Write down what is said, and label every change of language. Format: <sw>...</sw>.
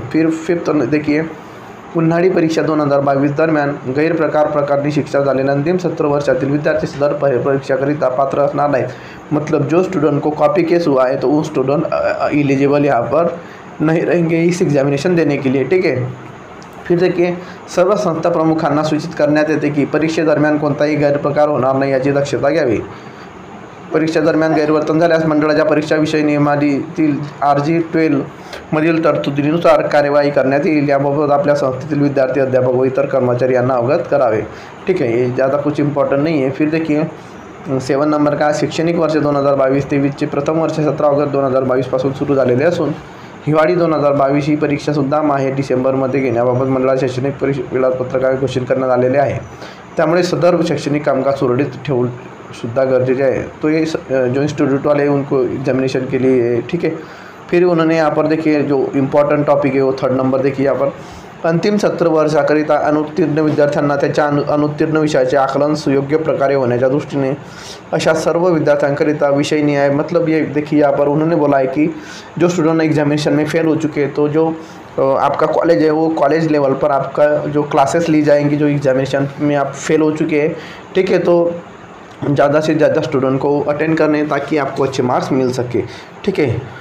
<hi>फिर फिफ्थ देखिए,</hi> <mr>उन्हाळी परीक्षा 2022 दरम्यान गैरप्रकार प्रकारनी शिक्षा झालेल्या अंतिम सत्र वर्षातील विद्यार्थी सदर परीक्षाकरिता पात्र असणार नाहीत,</mr> <hi>मतलब जो स्टूडेंट को कॉपी केस हुआ है तो वो स्टूडेंट इलिजिबल यहाँ पर नहीं रहेंगे इस एग्जामिनेशन देने के लिए, ठीक है।</hi> <mr>फिर देखिए, सर्व संस्था प्रमुखांना सूचित करण्यात येते की परीक्षेदरम्यान कोणताही गैरप्रकार होणार नाही याची दक्षता घ्यावी। परीक्षा दरम्यान गैरवर्तन झाल्यास मंडळाच्या परीक्षा विषय नियमातील RG 12 मधील तरतुदीनुसार कार्यवाही करण्यात येईल। याबाबत आपल्या संस्थेतील विद्यार्थी, अध्यापक व इतर कर्मचारी यांना अवगत करावे, ठीक आहे। हे ज्यादा कुछ इम्पॉर्टंट नाही आहे।</mr> <hi>फिर देखिए, 7 नंबर का,</hi> <mr>शैक्षणिक वर्ष 2022-23 प्रथम वर्ष 17 ऑगस्ट 2022 पासून सुरू झालेले असून हिवाळी 2022 ही परीक्षासुद्धा माहे डिसेंबरमध्ये घेण्याबाबत मंडळाच्या शैक्षणिक वेळापत्रक घोषित करण्यात आलेले आहे, त्यामुळे सदर शैक्षणिक कामकाज सुरळीत ठेवून सुद्धा गरजेचे आहे।</mr> <hi>तो ये जो इंस्टिट्यूट वाले उनको एग्जामिनेशन के लिए, ठीक है। फिर उन्होंने यहाँ पर देखिए जो इम्पॉर्टंट टॉपिक है वो थर्ड नंबर देखिए, यहाँ पर</hi> <mr>अंतिम सत्र वर्षाकरिता अनुत्तीर्ण विद्यार्थ्यांना त्यांच्या अनुत्तीर्ण विषयाचे आकलन सुयोग्य प्रकारे होण्याच्या दृष्टीने अशा सर्व विद्यार्थ्यांकरिता विषय न्याय,</mr> <hi>मतलब ये देखिए यहाँ पर उन्होंने बोला है कि जो स्टूडेंट एग्जामिनेशन में फेल हो चुके हैं तो जो आपका कॉलेज है वो कॉलेज लेवल पर आपका जो क्लासेस ली जाएंगी जो एग्जामिनेशन में आप फेल हो चुके हैं, ठीक है। तो ज़्यादा से ज़्यादा स्टूडेंट को अटेंड करने ताकि आपको अच्छे मार्क्स मिल सके, ठीक है।</hi>